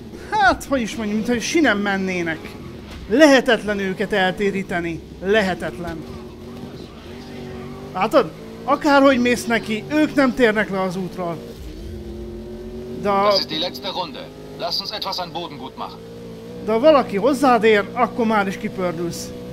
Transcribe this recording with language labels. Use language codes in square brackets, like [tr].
[hu] Hát, hogy is mondjam, mintha sinem mennének. Lehetetlen őket eltéríteni. Lehetetlen. Látod? Akárhogy mész neki, ők nem térnek le az útról. De... [de] Das ist die letzte Runde. Lass uns etwas an Boden gut machen. [hu] De ha valaki hozzád ér, akkor már is kipördülsz.